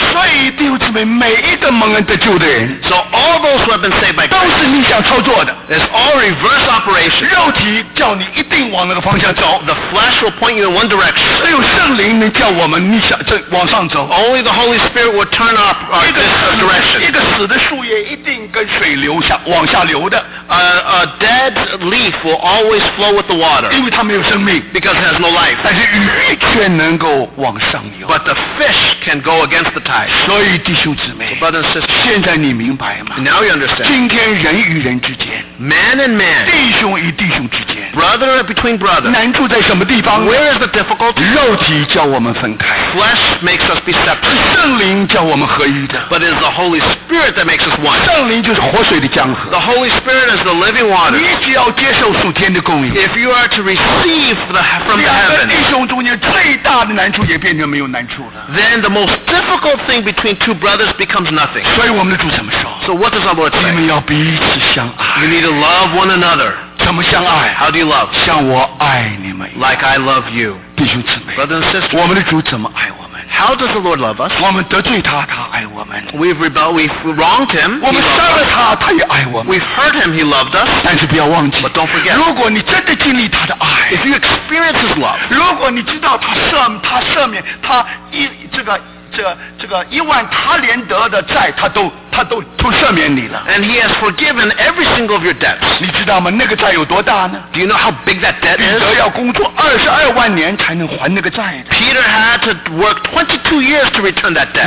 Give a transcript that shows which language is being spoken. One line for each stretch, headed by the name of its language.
Chinese: 所以弟兄姊妹，每一个蒙恩得救的人
English: ，So all those who have been saved by God
Chinese: 都是逆向操作的。
English: It's all reverse operation.
Chinese: 肉体叫你一定往那个方向走
English: ，The flesh will point you in one direction.
Chinese: 只有圣灵能叫我们逆向往上走
English: ，Only the Holy Spirit will turn up our direction.
Chinese: 一个死的树叶一定跟水流下往下流的。
English: A dead leaf will always flow with the water.
Chinese: 因为它没有生命
English: ，Because it has no life.
Chinese: 但是鱼却能够往上游。
English: But the fish can go against the tide.
Chinese: 所以弟兄姊妹
English: ，Brother and sister,
Chinese: 现在你明白吗
English: ？Now you understand.
Chinese: 今天人与人之间
English: ，Man and man，
Chinese: 弟兄与弟兄之间
English: ，Brother between brother，
Chinese: 难处在什么地方
English: ？Where is the difficulty？
Chinese: 肉体叫我们分开
English: ，Flesh makes us be separate.
Chinese: 是圣灵叫我们合一的
English: ，But it's the Holy Spirit that makes us one.
Chinese: 圣灵就是活水的江河
English: ，The Holy Spirit is the living water.
Chinese: 你只要接受属天的供应
English: ，If you are to receive the from the heaven。
Chinese: 弟兄中间最大的难处也变成没有难处了。
English: Then the most difficult thing between two brothers becomes nothing.
Chinese: 所以我们的主怎么说
English: ？So what does our Lord say?
Chinese: 你们要彼此相爱。
English: You need to love one another.
Chinese: 怎么相爱
English: ？How do you love?
Chinese: 像我爱你们。
English: Like I love you.
Chinese: 弟兄姊妹
English: ，Brothers and sisters.
Chinese: 我们的主怎么爱我们
English: ？How does the Lord love us?
Chinese: 我们得罪他，他爱我们。
English: We've rebelled. We've wronged him.
Chinese: 我们伤了他，他也爱我们。
English: We've hurt him. He loved us.
Chinese: 但是不要忘记
English: ，But don't forget.
Chinese: 如果你真的经历他的爱。
English: If you experience his love,
Chinese: 如果你知道他赦免他一这个一万他连得的债他都赦免你了
English: ，and he has forgiven every single of your debts.
Chinese: 你知道吗？那个债有多大呢
English: ？Do you know how big that debt is?
Chinese: 彼得要工作22万年才能还那个债。
English: Peter had to work 22 years to return that debt.